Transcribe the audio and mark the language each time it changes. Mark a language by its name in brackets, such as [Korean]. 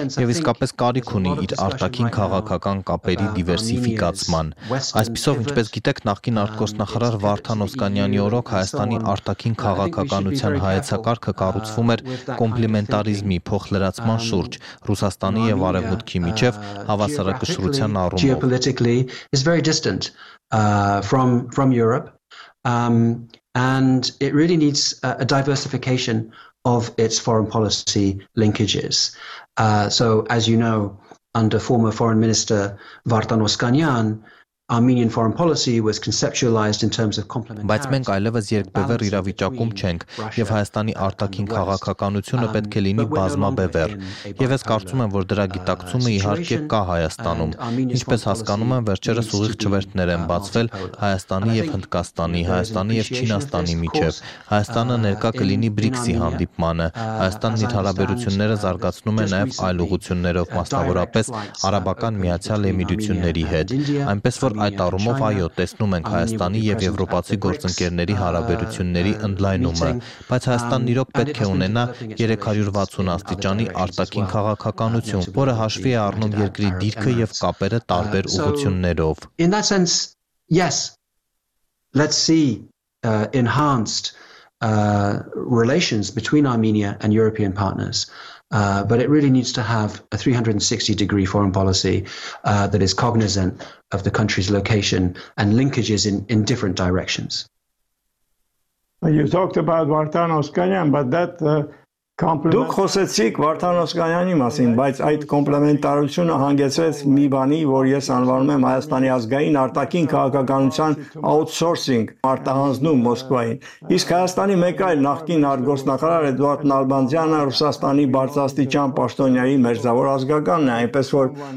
[Armenian] եւ իսկապես կարիք ունի իր արտաքին քաղաքական կապերի դիվերսիֆիկացման։ Այսպիսով, ինչպես գիտեք, նախկին արտգործնախարար Վարդան Օսկանյանի օրոք Հայաստանի արտաքին քաղաքականության հայեցակարգը կառուցվում էր կոմպլիմենտարիզմի փոխլրացման շուրջ Ռուսաստանի եւ Արևմուտքի միջեւ հավասարակշռության առումով [English] geopolitically is very distant from Europe and it really needs a diversification of its foreign policy linkages so as you know under former foreign minister Vartan Oskanyan Armenian foreign policy was conceptualized in terms of complementarity. [Armenian] Բայց մենք այլևս երկբևեռ իրավիճակում չենք, եւ Հայաստանի արտաքին քաղաքականությունը պետք է լինի բազմաբևեռ։ Եվ ես կարծում եմ, որ դրա դիտակցումը իհարկե կա Հայաստանում։ Ինչպես հասկանում եմ, վերջերս ուղիղ չվերթներ են բացվել Հայաստանի եւ Հնդկաստանի, Հայաստանի եւ Չինաստանի միջեւ։ Հայաստանը ներկա կլինի BRICS-ի հանդիպմանը։ Հայաստանն իր հարաբերությունները զարգացնում է նաեւ այլ ուղություններով, մասնավորապես Արաբական Միացյալ Էմիրությունների հետ։ Այնպես որ այդ առումով այո, տեսնում ենք Հայաստանի եւ եվրոպացի գործընկերների հարաբերությունների ընդլայնումը, բայց Հայաստանն իրոք պետք է ունենա 360 աստիճանի արտաքին քաղաքականություն, որը հաշվի է առնում երկրի դիրքը եւ կապերը տարբեր ուղություններով. [English] In that sense, yes. Let's see enhanced relations between Armenia and European partners. But it really needs to have a 360-degree foreign policy that is cognizant of the country's location and linkages in different directions. You talked about Vartan Oskanyan, but that complement... [Armenian] Դուք խոսեցիք Վարդան Օսկանյանի մասին, բայց այդ կոմպլեմենտարությունը հանգեցրեց մի բանի, որ ես անվանում եմ Հայաստանի ազգային արտաքին քաղաքականության outsourcing, արտահանձնում Մոսկվային։ Իսկ Հայաստանի մեկ այլ նախկին արտգործնախարար Էդուարդ Նալբանդյանը Ռուսաստանի բարձրաստիճան պաշտոնյայի մերձավոր ազգականն է, այնպես որ